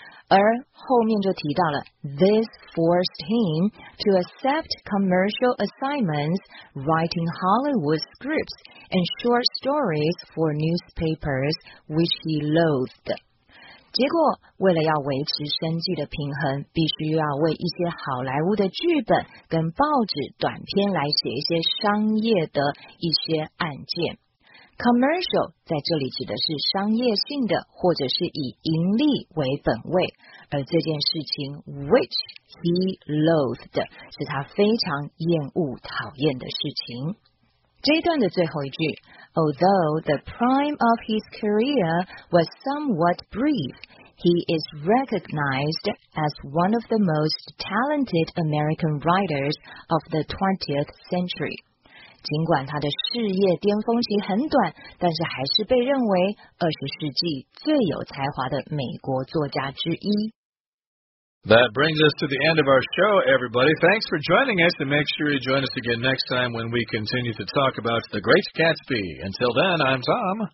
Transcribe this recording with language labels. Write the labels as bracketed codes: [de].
[zh] 而后面就提到了 [en] This forced him to accept commercial assignments, writing Hollywood scripts and short stories for newspapers, which he loathed. [zh] 结果为了要维持生计的平衡，必须要为一些好莱坞的剧本跟报纸短篇来写一些商业的一些案件。 Commercial 在这里指的是商业性的，或者是以盈利为本位，而这件事情 [en] which he loathed [zh] 是他非常厌恶讨厌的事情。这一段的最后一句 [en] Although the prime of his career was somewhat brief, he is recognized as one of the most talented American writers of the 20th century. [zh] 尽管他的事业巅峰期很短，但是还是被认为二十世纪最有才华的美国作家之一。 [en] That brings us to the end of our show, everybody. Thanks for joining us, and make sure you join us again next time when we continue to talk about The Great Gatsby. Until then, I'm Tom.